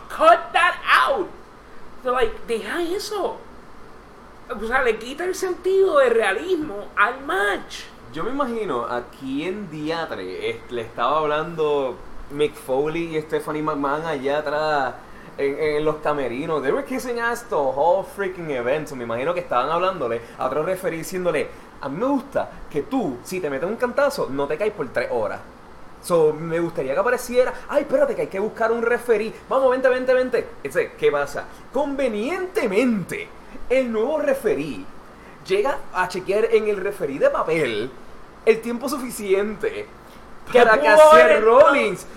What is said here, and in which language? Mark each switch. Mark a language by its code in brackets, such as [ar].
[en] Cut that out. [es] Deja eso. O sea, le quita el sentido de realismo al match. Yo me imagino a quién diatre le estaba hablando Mick Foley y Stephanie McMahon allá atrás en los camerinos. [en] They were kissing ass the whole freaking event. [es] So me imagino que estaban hablándole a otro referee diciéndole, a mí me gusta que tú, si te metes un cantazo, no te caes por 3 horas. So, me gustaría que apareciera. Ay, espérate, que hay que buscar un referí. Vamos, vente. ¿Qué pasa? Convenientemente, el nuevo referí llega a chequear en el referí de papel el tiempo suficiente para que hacer Rollins.